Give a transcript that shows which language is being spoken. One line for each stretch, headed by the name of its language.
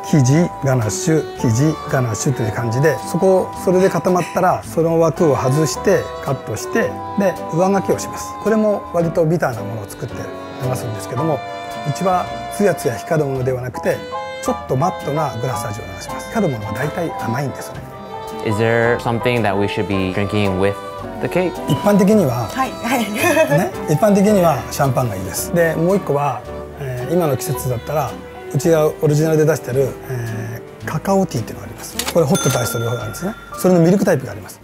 Japanese: 生地ガナッシュ、生地ガナッシュという感じで、そこをそれで固まったらその枠を外してカットして、で上書きをします。これも割とビターなものを作って流すんですけども、うちはツヤツヤ光るものではなくてちょっとマットなグラス味を流します。光るものは大体甘いんですね。
English: Is there something that we should be drinking with the cake?
Japanese: 一般的には、はいはい、ね、一般的にはシャンパンがいいです。で、もう一個は、今の季節だったら、うちがオリジナルで出してる、カカオティーっていうのがあります。これホットで出してるものなんですね。それのミルクタイプがあります。